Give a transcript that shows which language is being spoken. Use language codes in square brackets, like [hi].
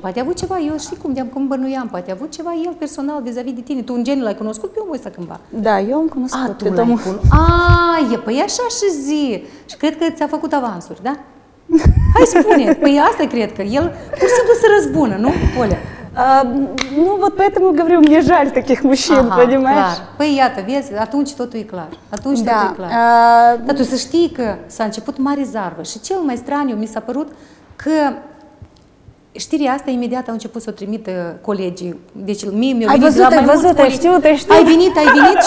[ro] Poate a avut ceva, eu știi cum bănuiam, poate a avut ceva el personal vis-a-vis de tine. Tu în genii l-ai cunoscut pe omul ăsta cândva? Da, eu am cunoscut pe domnul. Păi așa și zi. Și cred că ți-a făcut avansuri, da? Hai spune, păi asta cred că el pur și simplu se răzbună, nu, Оля? [ru] Ну, вот поэтому говорю, мне жаль таких мужчин, понимаешь? [ro] clar. Păi iată, vezi, atunci totul e clar. Atunci totul e clar. Dar tu să știi că s-a început mare zarvă și cel mai straniu mi s-a părut că știrea asta imediat au început să o trimită colegii. Deci mie mi-au venit la mai mulți colegi. Ai venit